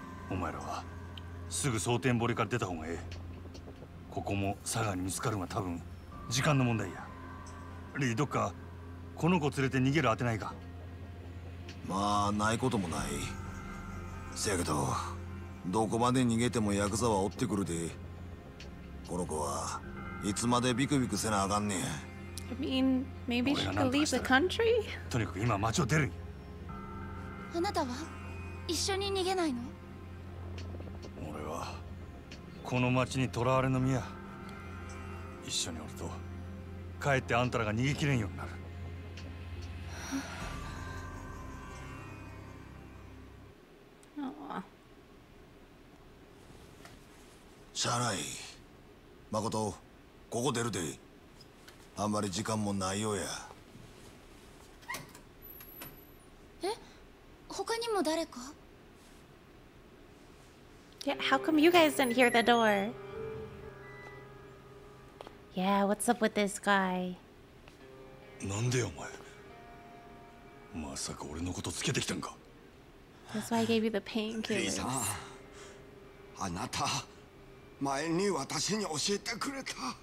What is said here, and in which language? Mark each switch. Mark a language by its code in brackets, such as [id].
[ja] お前らはすぐ蒼天堀から出た方がええ。ここも Saga に見つかるが多分時間の問題や。リードかこの子連れて逃げる当てないか。まあないこともない。せやけどどこまで逃げてもヤクザは追ってくるで。この子はいつまでビクビクせなあかんねん。 [en] I mean, maybe she could leave the country? [ja] とにかく今街を出る。あなたは一緒に逃げないの？俺はこの街に囚われの身や。一緒におると帰ってあんたらが逃げきれんようになる。しゃあない。まこと、ここ出るで。あんまり時間もないようや。え、他にも誰か？ [en] Yeah, how come you guys didn't hear the door? Yeah, what's up with this guy? [ja] なんでお前、まさか俺のことつけてきたんか。 [en] That's why I gave you the painkillers. [ja] リーさん、あなた、前に私に教えてくれた。